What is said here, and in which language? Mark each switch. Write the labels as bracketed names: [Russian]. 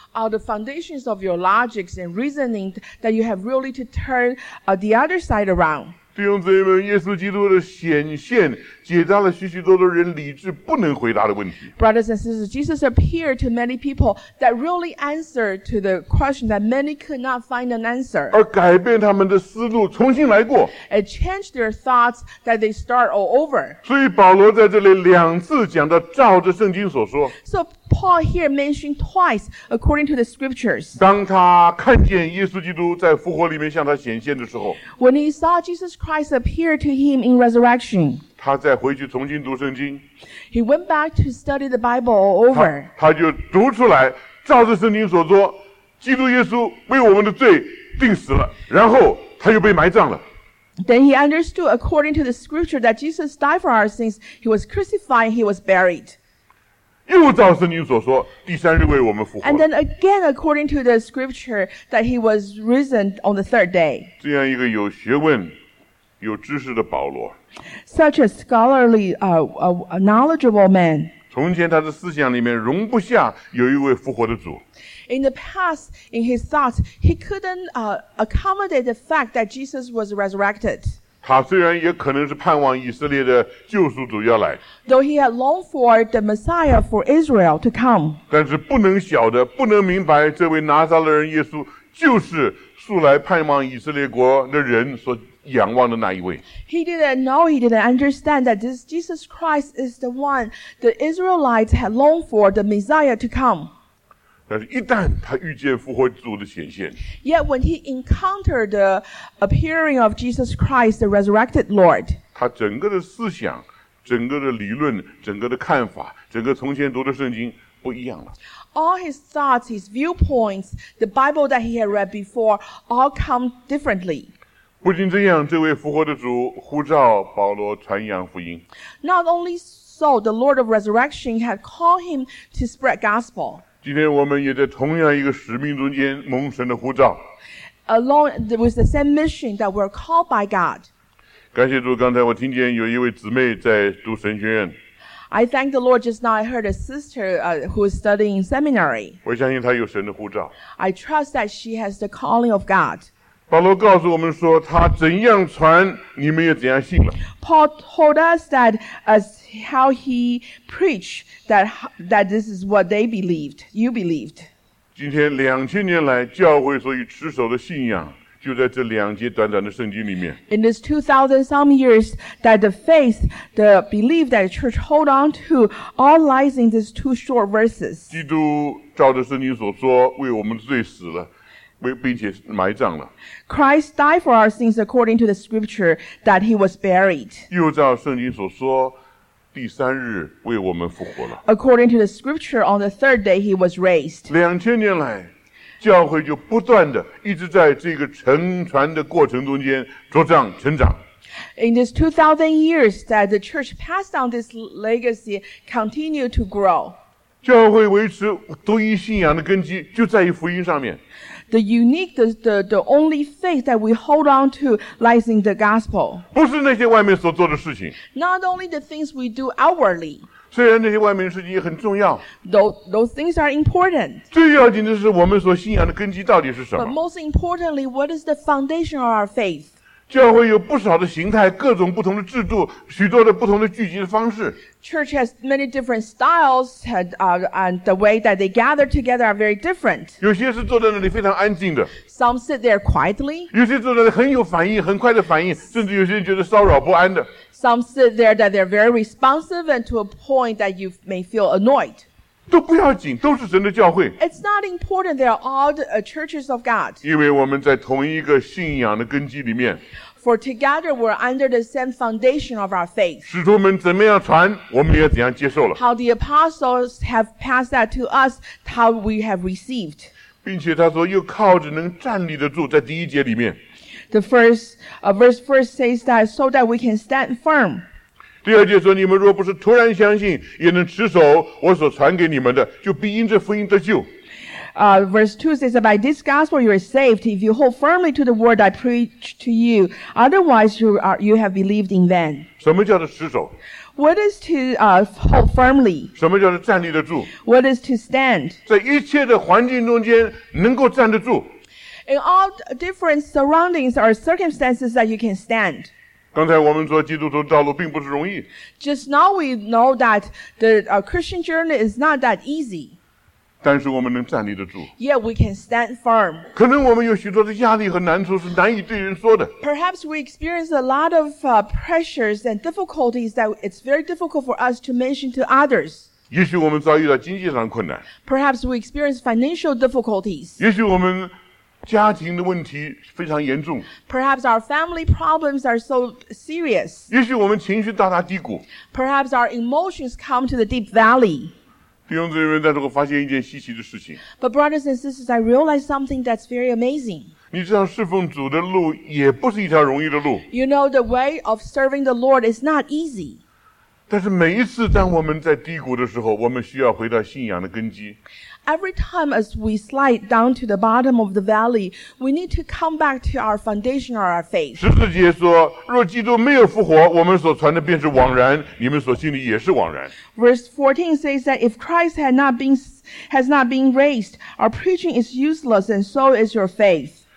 [English] Are the foundations of your logics and reasoning that you have really to turn, the other side around? [Chinese] 弟兄姊妹们，耶稣基督的显现解答了许许多多人理智不能回答的问题。 [English] Brothers and sisters, Jesus appeared to many people that really answered to the question that many could not find an answer. [Chinese] 而改变他们的思路，重新来过。 [English] It changed their thoughts that they start all over. [Chinese] 所以保罗在这里两次讲到照着圣经所说。 [English] So Paul here mentioned twice according to the scriptures. [Chinese] 当他看见耶稣基督在复活里面向他显现的时候。 [English] When he saw Jesus Christ appear to him in resurrection. [Chinese] 他再回去重新读圣经。 [English] He went back to study the Bible all over. [Chinese] 他就读出来，照着圣经所说，基督耶稣为我们的罪钉死了，然后他又被埋葬了。 [English] Then he understood according to the scripture that Jesus died for our sins. He was crucified. He was buried. [Chinese] 又照圣经所说，第三日为我们复活了。 [English] And then again, according to the scripture, that he was risen on the third day. [Chinese] 这样一个有学问、有知识的保罗。 [English] Such a scholarly, knowledgeable man. [Chinese] 从前他的思想里面容不下有一位复活的主。 [English] In the past, in his thoughts, he couldn't, accommodate the fact that Jesus was resurrected. [Chinese] 他虽然也可能是盼望以色列的救赎主要来 [English] Though he had longed for the Messiah for Israel to come [Chinese] 但是不能晓得不能明白这位拿撒勒人耶稣就是素来盼望以色列国的人所仰望的那一位 [English] He didn't know, he didn't understand that this Jesus Christ is the one the Israelites had longed for the Messiah to come [Chinese] 但是一旦他遇见复活主的显现 [English] Yet when he encountered the appearing of Jesus Christ, the resurrected Lord, [Chinese] 他整个的思想、整个的理论、整个的看法、整个从前读的圣经不一样了。 [English] All his thoughts, his viewpoints, the Bible that he had read before, all come differently. [Chinese] 不仅这样，这位复活的主呼召保罗传扬福音。 [English] Not only so, the Lord of Resurrection had called him to spread gospel. [Chinese] 今天我们也在同样一个使命中间蒙神的呼召。 [English] Along with the same mission that we're called by God. [Chinese] 感谢主，刚才我听见有一位姊妹在读神学院。 [English] I thank the Lord just now I heard a sister, who is studying seminary. [Chinese] 我相信她有神的呼召。 [English] I trust that she has the calling of God. [Chinese] 保罗告诉我们说，他怎样传，你们也怎样信了。 [English] Paul told us that as how he preached that this is what they believed, you believed. [Chinese] 今天两千年来，教会所以持守的信仰就在这两节短短的圣经里面。 [English] In this 2,000 some years, that the faith, the belief that the church hold on to, all lies in these two short verses. [Chinese] 基督照着圣经所说，为我们的罪死了。并且埋葬了。 [English] Christ died for our sins according to the scripture that he was buried. [Chinese] 又照圣经所说，第三日为我们复活了。 [English] According to the scripture, on the third day he was raised. [Chinese] 两千年来，教会就不断地一直在这个承传的过程中间茁壮成长。 [English] In these 2,000 years that the church passed on this legacy, continue to grow. [Chinese] 教会维持独一信仰的根基就在于福音上面。 [English] The unique, the only faith that we hold on to lies in the gospel. [Chinese] 不是那些外面所做的事情。 [English] Not only the things we do outwardly. [Chinese] 虽然那些外面的事情也很重要。 [English] Those things are important. [Chinese] 最要紧的是我们所信仰的根基到底是什么。 [English] But most importantly, what is the foundation of our faith? [Chinese] 教会有不少的形态，各种不同的制度，许多的不同的聚集的方式。 [English] Church has many different styles, and the way that they gather together are very different. [Chinese] 有些是坐在那里非常安静的。 [English] Some sit there quietly. [Chinese] 有些坐在那里很有反应，很快的反应，甚至有些人觉得骚扰不安的。 [English] Some sit there that they're very responsive and to a point that you may feel annoyed. [Chinese] 都不要紧，都是神的教会。 [English] It's not important, they're all the, churches of God. [Chinese] 因为我们在同一个信仰的根基里面。 [English] For together we're under the same foundation of our faith. [Chinese] 使徒们怎么样传，我们也怎样接受了。 [English] How the apostles have passed that to us, how we have received. [Chinese] 并且他说又靠着能站立得住在第一节里面。 [English] The verse first says that so that we can stand firm. [Chinese] 第二节说你们若不是突然相信也能持守我所传给你们的就必因这福音得救。 [English] Verse 2 says that by this gospel you are saved if you hold firmly to the word I preach to you, otherwise you have believed in vain. [Chinese] 什么叫做持守? [English] What is to hold firmly? [Chinese] 什么叫做站立得住? [English] What is to stand? [Chinese] 在一切的环境中间能够站得住。 [English] In all different surroundings or circumstances that you can stand. [Chinese] 刚才我们说基督徒道路并不是容易。 [English] Just now we know that the Christian journey is not that easy. [Chinese] 但是我们能站立得住。 [English] Yeah, we can stand firm. [Chinese] 可能我们有许多的压力和难处是难以对人说的。 [English] Perhaps we experience a lot of pressures and difficulties that it's very difficult for us to mention to others. [Chinese] 也许我们遭遇到经济上困难。 [English] Perhaps we experience financial difficulties. [Chinese] 也许我们家庭的问题非常严重。 [English] Perhaps our family problems are so serious. [Chinese] 也许我们情绪到达低谷。 [English] Perhaps our emotions come to the deep valley. [Chinese] 弟兄姊妹们，在这我发现一件稀奇的事情。 [English] But brothers and sisters, I realize something that's very amazing. [Chinese] 你知道侍奉主的路也不是一条容易的路。 [English] You know the way of serving the Lord is not easy. [Chinese] 但是每一次当我们在低谷的时候，我们需要回到信仰的根基。 [English] Every time as we slide down to the bottom of the valley, we need to come back to our foundation or our faith. [Chinese] 十四节说，若基督没有复活，我们所传的便是枉然，你们所信的也是枉然。 [English] Verse 14 says that if Christ has not been raised, our preaching is useless, and so is your faith.